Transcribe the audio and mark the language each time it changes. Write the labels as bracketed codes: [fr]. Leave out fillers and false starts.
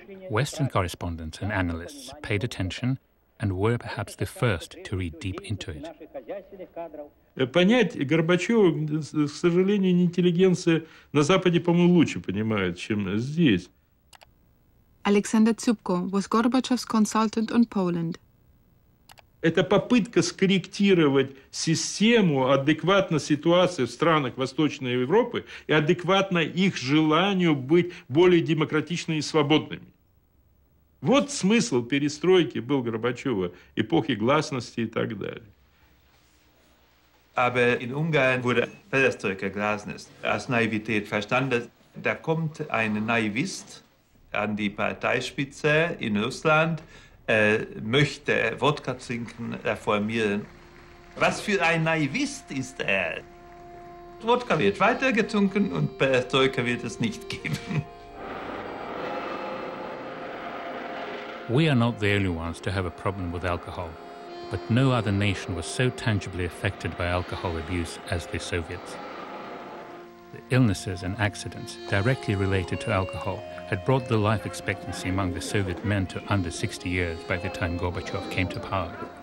[en] Western correspondents and analysts paid attention and were perhaps the first to read deep into it. [ru] Понять Горбачева, к сожалению, не интеллигенция на Западе, по-моему, лучше понимает, чем здесь. [en] Alexander Zubko was Gorbachev's consultant on Poland. [ru] Это попытка скорректировать систему адекватно ситуации в странах Восточной Европы и адекватно их желанию быть более демократичными и свободными. Вот смысл перестройки был Горбачева, эпохи гласности и так далее. [de] Aber in Ungarn wurde Perestroika Glasnost als Naivität verstanden. Da kommt ein Naivist an die Parteispitze in Russland, möchte Wodka trinken, reformieren. Was für ein Naivist ist er? Wodka wird weitergetrunken und Perestroika wird es nicht geben. [en] We are not the only ones to have a problem with alcohol. But no other nation was so tangibly affected by alcohol abuse as the Soviets. The illnesses and accidents directly related to alcohol had brought the life expectancy among the Soviet men to under 60 years by the time Gorbachev came to power.